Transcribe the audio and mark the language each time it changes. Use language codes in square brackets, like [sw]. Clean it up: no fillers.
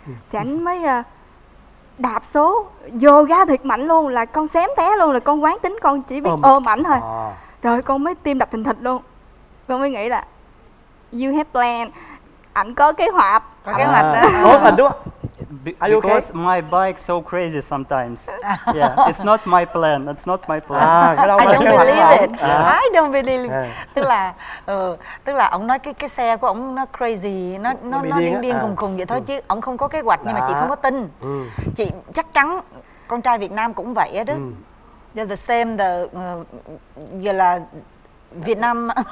[vi] Thì ảnh mới đạp số, vô ga thiệt mạnh luôn, là con xém té luôn, là con quán tính, con chỉ biết ôm ảnh thôi. Trời, con mới tim đập thình thịch luôn. Con mới nghĩ là [en] you have plan, [vi] ảnh có kế hoạch. Có kế hoạch đó. Cố tình đúng [en] không? Are you okay? Because my bike so crazy sometimes. Yeah, it's not my plan, it's not my plan. I don't believe it. [vi] Tức là ổng nói cái xe của ổng nó crazy, nó điên khùng khùng vậy thôi chứ ổng không có kế hoạch, nhưng mà chị không có tin. Chị chắc chắn con trai Việt Nam cũng vậy đó. [en] You're the same, [vi] giờ là Việt Nam.